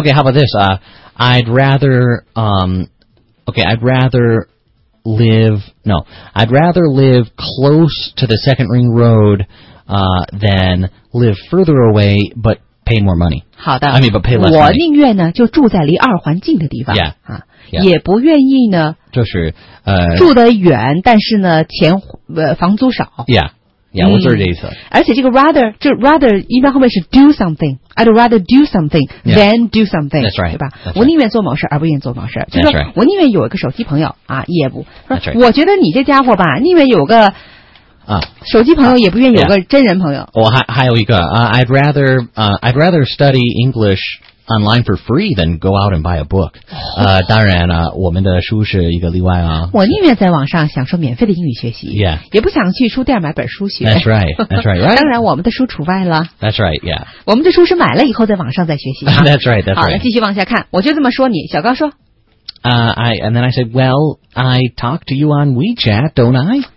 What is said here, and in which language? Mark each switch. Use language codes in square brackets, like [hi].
[en] Okay, how about this、I'd rather、okay, I'd rather live No, I'd rather live close to the Second Ring Road、than live further away but pay more money [zh] 好的 [en] I mean, but pay less [zh] 我宁愿呢就住在离二环近的地方 [en] yeah.、Yeah. [zh] 也不愿意呢就是、住得远但是呢钱、房租少 [en] Yeah Yeah, [zh] 我就是这意思。而且这个 [en] rather, 就 rather [zh] 一般后面是 [en] do something. I'd rather do something than do something. That's right. [zh] 对吧 [en] That's right. [zh] 我宁愿做某事而不愿做某事。就是说我宁愿有一个手机朋友啊也不。 [en] That's right. [zh] 我觉得你这家伙吧宁愿有个手机朋友也不愿有个真人朋友。我、还有一个、 [en] I'd rather study English online for free than go out and buy a book.、 [zh] 当然了、我们的书是一个例外啊。我宁愿在网上享受免费的英语学习。 [en] Yeah. [zh] 也不想去书店买本书学。 [en] That's right. That's right. Right. [zh] 当然我们的书除外了。 [en] That's right. Yeah. [zh] 我们的书是买了以后在网上再学习。 [en] That's right. That's right. [zh] 好继续往下看。我就这么说你小高说。 [en] And then I said, well, I talk to you on WeChat, don't I?